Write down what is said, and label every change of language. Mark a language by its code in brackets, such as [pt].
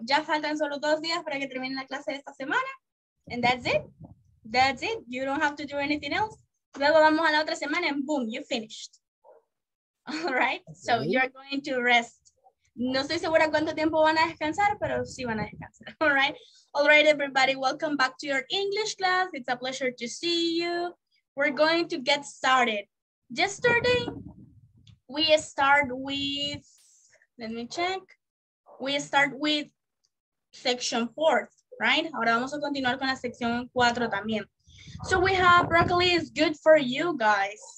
[es] Ya faltan solo 2 días para que termine la clase de esta semana. [en] And that's it. That's it. You don't have to do anything else. [es] Luego vamos a la otra semana [en] and boom, you finished. All right, so you're going to rest. [es] No estoy segura cuánto tiempo van a descansar, pero sí van a descansar. [en] All right, everybody, welcome back to your English class. It's a pleasure to see you. We're going to get started. Yesterday, we start with, let me check. We start with section 4, right? [es] Ahora vamos a continuar con la sección 4 también. [en] So we have broccoli is good for you guys.